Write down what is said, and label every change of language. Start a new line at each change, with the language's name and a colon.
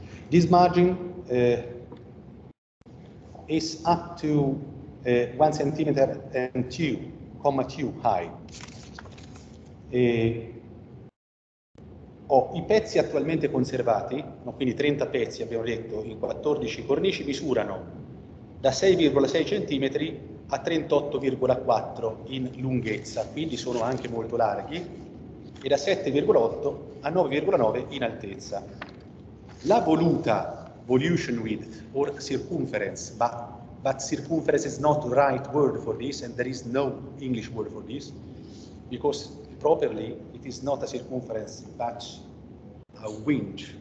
English: This margin is up to 1 centimeter and 2.2 high.
Italian: I pezzi attualmente conservati, quindi 30 pezzi abbiamo detto in 14 cornici, misurano da 6,6 cm a 38,4 in lunghezza, quindi sono anche molto larghi, e da 7,8 a 9,9 in altezza.
English: La voluta volution width or circumference, but circumference is not the right word for this, and there is no English word for this, because properly it is not a circumference, but a wing.